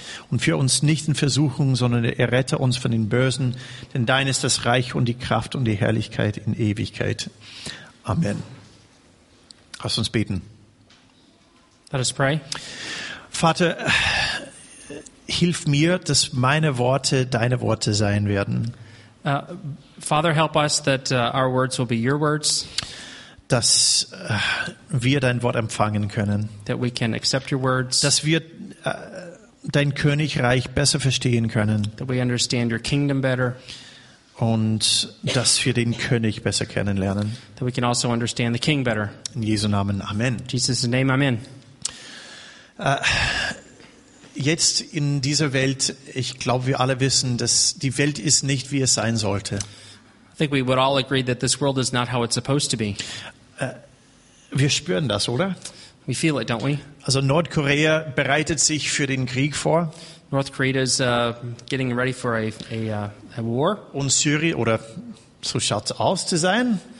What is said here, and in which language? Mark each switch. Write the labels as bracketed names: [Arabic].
[German] Und führe uns nicht in Versuchung, sondern errette uns von den Bösen, denn dein ist das Reich und die Kraft und die Herrlichkeit in Ewigkeit. Amen. Lass uns beten. [English] Let us pray. [German] Vater, hilf mir, dass meine Worte deine Worte sein werden. [English] Father, help us that our words will be your words. [German] Dass wir dein Wort empfangen können. [English] That we can accept your words. [German] Dass wir dein Königreich besser verstehen können. [English] That we understand your kingdom better. [German] Und dass wir den König besser kennenlernen. [English] That we can also understand the king better. [German] In Jesu Namen, Amen. In [English] Jesus' name, Amen. [German] Jetzt in dieser Welt, ich glaube, wir alle wissen, dass die Welt ist nicht, wie es sein sollte. [English] I think we would all agree that this world is not how it's supposed to be. [German] Wir spüren das, oder? [English] We feel it, don't we? [German] Also Nordkorea bereitet sich für den Krieg vor. [English] North Korea is getting ready for a war. [German] Und Syrien, oder so schaut es aus zu sein.